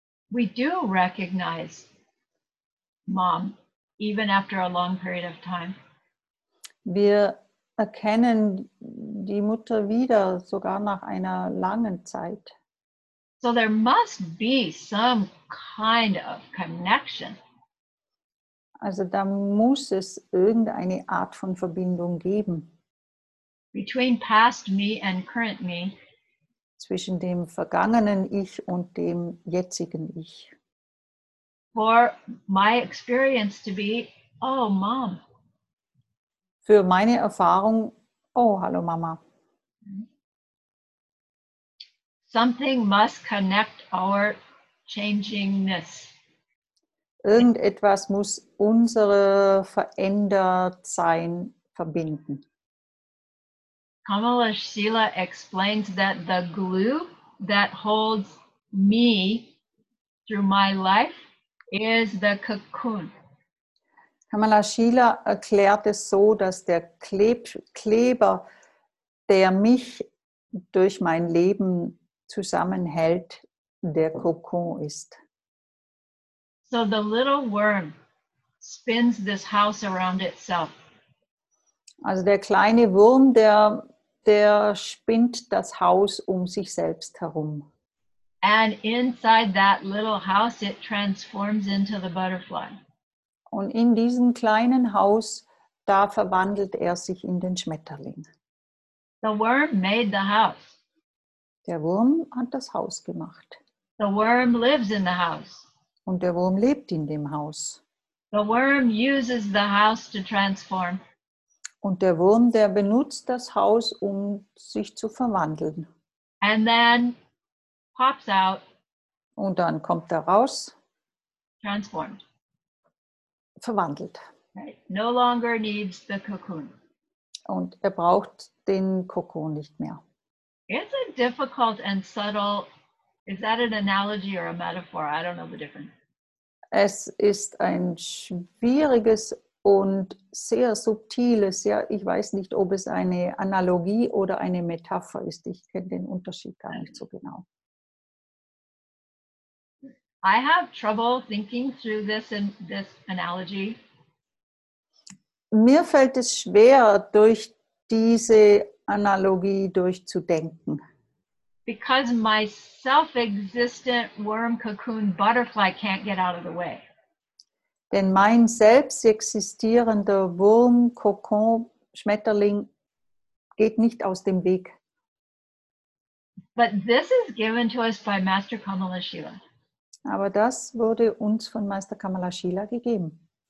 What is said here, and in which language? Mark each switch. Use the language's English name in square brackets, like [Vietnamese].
[English] We do recognize mom even after a long period of time. [German] Wir erkennen die Mutter wieder, sogar nach einer langen Zeit. [English] So there must be some kind of connection. [German] Also da muss es irgendeine Art von Verbindung geben. [English] Between past me and current me. [German] Zwischen dem vergangenen Ich und dem jetzigen Ich. [English] For my experience to be, oh Mom. [German] Für meine Erfahrung, oh hallo Mama. [English] Something must connect our changingness. [German] Irgendetwas muss unsere Verändertsein verbinden. [English] Kamala Shila explains that the glue that holds me through my life is the cocoon. [German] Kamala Shila erklärt es so, dass der Kleber, der mich durch mein Leben zusammenhält, der Kokon ist. [English] So the little worm spins this house around itself. [German] Also der kleine Wurm, der spinnt das Haus um sich selbst herum. [English] And inside that little house it transforms into the butterfly. [German] Und in diesem kleinen Haus, da verwandelt sich in den Schmetterling. [English] The worm made the house. [German] Der Wurm hat das Haus gemacht. [English] The worm lives in the house. [German] Und der Wurm lebt in dem Haus. [English] The worm uses the house to transform. [German] Und der Wurm, der benutzt das Haus, um sich zu verwandeln. [English] And then pops out. [German] Und dann kommt er raus. [English] Transformed. [German] verwandelt. [English] Right. No longer needs the cocoon. [German] Und er braucht den Kokon nicht mehr. [English] It's a difficult and subtle. Is that an analogy or a metaphor? I don't know the difference. [German] Es ist ein schwieriges und sehr subtiles, ja, ich weiß nicht, ob es eine Analogie oder eine Metapher ist. Ich kenne den Unterschied gar nicht so genau. [English] I have trouble thinking through this in this analogy. [German] Mir fällt es schwer, durch diese Analogie durchzudenken. [English] Because my self-existent worm cocoon butterfly can't get out of the way. [German] Denn mein selbst existierender Wurm, Kokon, Schmetterling geht nicht aus dem Weg. [English] But this is given to us by Master Kamala Shila. [German] Aber das wurde uns von Meister Kamala Shila gegeben.